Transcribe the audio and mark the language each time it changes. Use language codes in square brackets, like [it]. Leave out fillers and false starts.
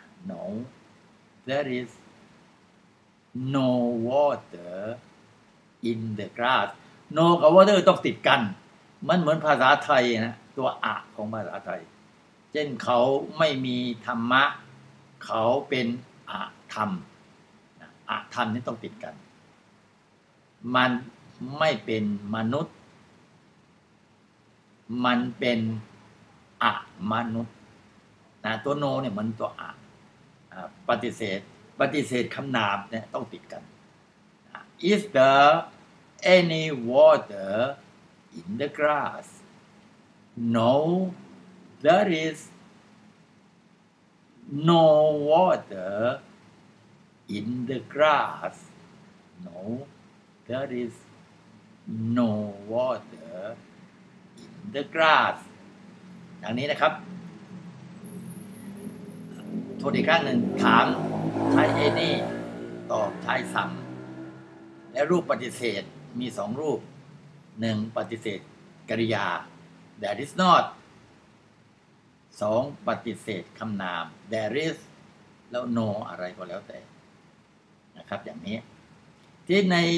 [en] No, there is no water in the grass. [th] No กับ water ต้องติดกันมันเหมือนภาษาไทยนะตัวอะของภาษาไทยเช่นเขาไม่มีธรรมะเ ขาเป็นอธรรมอธรรมนี่ต้องติดกันมันไม่เป็นมนุษย์มันเป็นอมนุษย์นะตัวโนเนี่ยมันตัวอปฏิเสธปฏิเสธคำนามเนี่ยต้องติดกัน [en] Is there any water in the grass? No, there is no water in the grass. No, there is no water in the grass. [th] ดังนี้นะครับโทษอีกครั้งหนึ่งถามใช้ any ตอบใช้ซ้ำและรูปปฏิเสธมี2รูป1ปฏิเสธกริยา [en] there is not [th] 2ปฏิเสธคำนาม [en] there is [th] แล้ว no อะไรก็แล้วแต่นะครับอย่างนี้ที่ใน